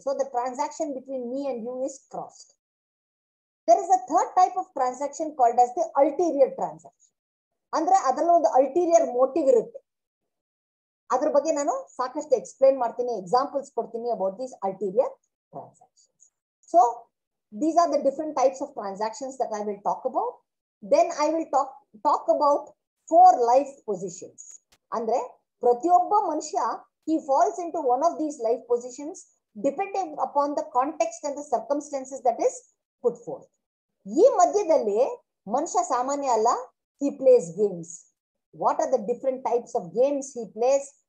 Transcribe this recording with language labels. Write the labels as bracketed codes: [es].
[en] So the transaction between me and you is crossed. There is a third type of transaction called as the ulterior transaction. [kn] Andre adallo ond ulterior motive irutte. ಅದ್ರ ಬಗ್ಗೆ ನಾನು ಸಾಕಷ್ಟು explain ಮಾಡ್ತೀನಿ, examples ಕೊಡ್ತೀನಿ [en] About these ulterior transaction. So these are the different types of transactions that I will talk about. Then I will talk about four life positions. ಅಂದ್ರೆ ಪ್ರತಿಯೊಬ್ಬ ಮನುಷ್ಯ he falls into one of these life positions depending upon the context and the circumstances that is put forth. [kn] ಈ ಮಧ್ಯದಲ್ಲಿ ಮನುಷ್ಯ ಸಾಮಾನ್ಯ ಅಲ್ಲ, [en] He plays games. What are the different types of games he plays?